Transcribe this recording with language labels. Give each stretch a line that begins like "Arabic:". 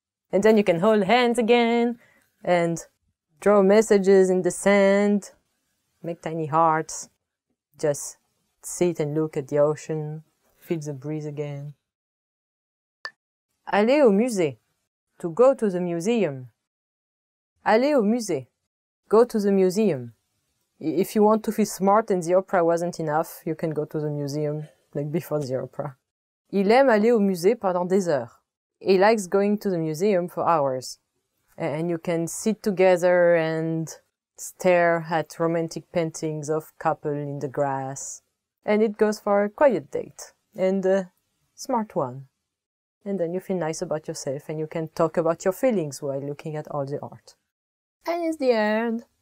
English: And then you can hold hands again and draw messages in the sand, make tiny hearts, just sit and look at the ocean, feel the breeze again.
French: Aller au musée.
English: To go to the museum.
French: Aller au musée.
English: Go to the museum. If you want to feel smart and the opera wasn't enough, you can go to the museum, like before the opera.
French: Il aime aller au musée pendant des heures.
English: He likes going to the museum for hours. And you can sit together and stare at romantic paintings of couple in the grass. And it goes for a quiet date and a smart one. And then you feel nice about yourself and you can talk about your feelings while looking at all the art. And it's the end.